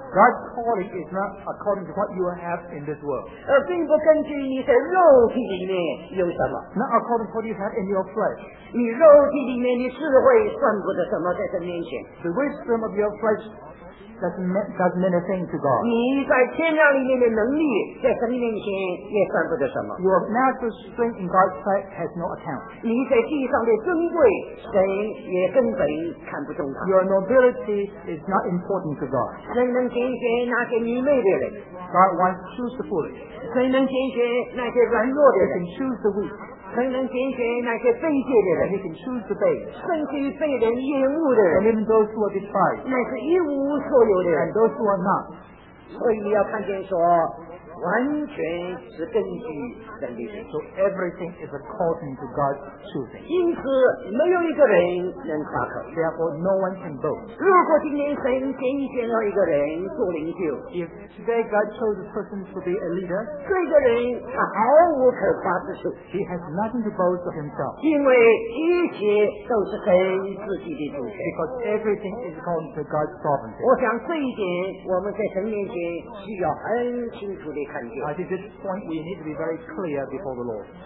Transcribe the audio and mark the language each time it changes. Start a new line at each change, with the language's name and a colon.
English: God's calling is not according to what you have in this world.
Chinese: 并不根据你在肉体里面有什么。
English: Not according to what you have in your flesh.
Chinese: 你肉体里面的智慧算不得什么在神面前。
English: The wisdom of your flesh doesn't mean a thing to God.
Chinese: 你在天亮里面的能力在神面前也算不得什么。
English: Your natural strength in God's sight has no account.
Chinese: 你在地上的尊贵神也根本看不重他。
English: Your nobility is not important to God.
Chinese: 谁能拣选那些愚昧的人?
English: God wants to choose the foolish.
Chinese: 谁能拣选那些软弱的人?
English: He can choose the weak.
Chinese: 谁能拣选那些卑贱的人?
English: He can choose the base.
Chinese: 甚至被人厌恶的人,
English: and even those who are despised,
Chinese: 乃是一无所有的人,
English: and those who are not.
Chinese: 所以要看见说, 完全是根据神的意思。
English: So everything is according to God's choosing.
Chinese: 因此没有一个人能夸口。
English: Therefore no one can boast.
Chinese: 如果今天神拣选了一个人做领袖,
English: if today God chose a person to be a leader,
Chinese: 这个人毫无可夸之处。
English: He has nothing to boast of himself.
Chinese: 因为一切都是神自己的主权。
English: Because everything is according to God's sovereignty.
Chinese: 我想这一点我们在神面前需要很清楚地看。
English: I think this point we need to be very clear before the Lord.